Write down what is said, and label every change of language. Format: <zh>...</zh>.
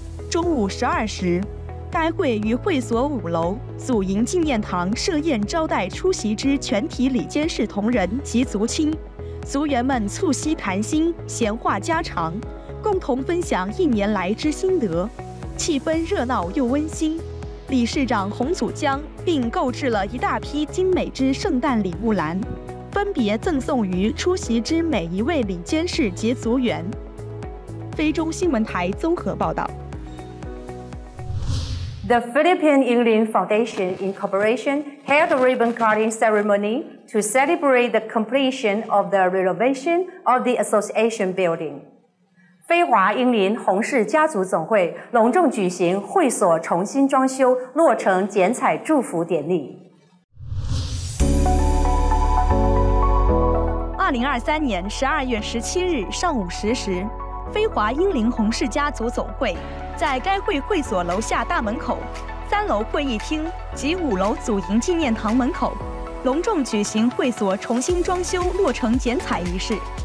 <zh>中午12时，该会于会所5楼祖茔纪念堂设宴招待出席之全体里监事同仁及族亲，族员们促膝谈心，闲话家常，共同分享一年来之心得，气氛热闹又温馨。理事长洪祖江并购置了一大批精美之圣诞礼物篮，分别赠送于出席之每一位里监事及族员。非中新闻台综合报道。</zh> <en>The Philippine Yinglin Foundation Incorporation held a ribbon-cutting ceremony to celebrate the completion of the renovation of the association building.</en> <zh>非华英林洪氏家族总会隆重举行会所重新装修落成剪彩祝福典礼。 2023年12月17日上午10时，非华英林洪氏家族总会在该会会所楼下大门口、3楼会议厅及5楼祖茔纪念堂门口隆重举行会所重新装修落成剪彩仪式。</zh>